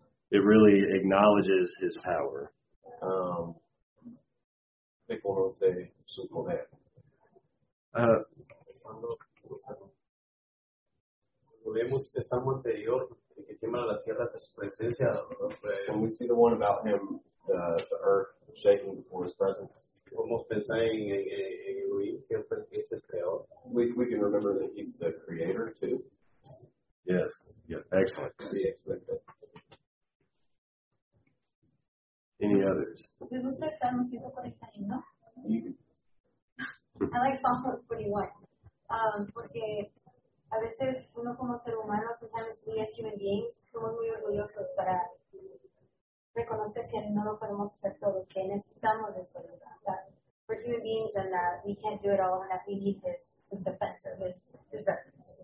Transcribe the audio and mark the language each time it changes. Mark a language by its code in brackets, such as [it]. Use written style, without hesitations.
[en] It really acknowledges his power. [es] Reconoce su poder. Cuando vemos el salmo anterior, que tiembla la tierra de su presencia. [en] When we see the one about him, the earth shaking before his presence. [es] Podemos pensar en que es el creador. [en] We can remember that he's the creator too. Yes. Yeah. Excellent. [es] Sí, excelente. [en] Any others? [es] Me gusta el Salmo 141. [en] You. I like Psalm 41. [es] Porque a veces uno como ser humano, [en] sometimes we as human beings, [es] somos muy orgullosos para reconocer que no lo podemos hacer todo, que necesitamos eso, ¿verdad? [en] We're human beings and that we can't do it all and that we need his defense or his refuge.